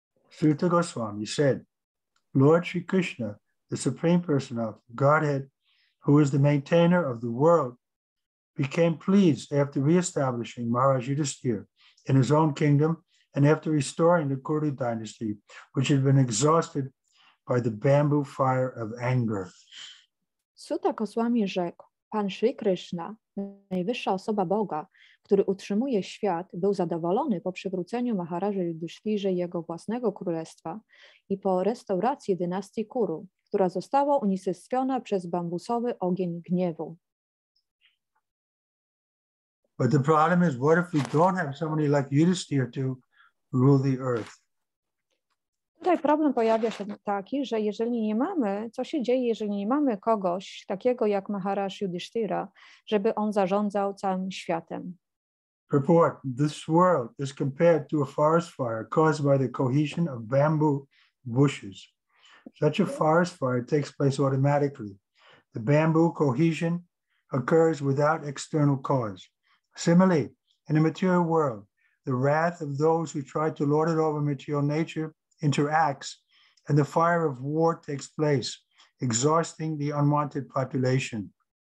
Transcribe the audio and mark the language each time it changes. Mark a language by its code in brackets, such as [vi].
[en] Sutta Goswami said, Lord Sri Krishna, the Supreme Personality of Godhead, who is the maintainer of the world, became pleased after reestablishing Maharaj Yudhisthira in his own kingdom and after restoring the Kuru dynasty, which had been exhausted by the bamboo fire of anger. [pl] Suta Goswami rzekł, Pan Sri Krishna, najwyższa osoba Boga, który utrzymuje świat, był zadowolony po przywróceniu Maharaja Yudhisthiry jego własnego królestwa i po restauracji dynastii Kuru, która została unicestwiona przez bambusowy ogień gniewu. [en] But the problem is, what if we don't have somebody like Yudhisthira to rule the earth? [pl] Tutaj problem pojawia się taki, że jeżeli nie mamy, co się dzieje, jeżeli nie mamy kogoś takiego jak Maharaj Yudhisthira, żeby on zarządzał całym światem. [en] Purport. This world is compared to a forest fire caused by the cohesion of bamboo bushes. Such a forest fire takes place automatically. The The bamboo cohesion occurs without external cause. Similarly, in the material world, the wrath of those who try to lord it over material nature interacts, and the fire of war takes place, exhausting the unwanted population.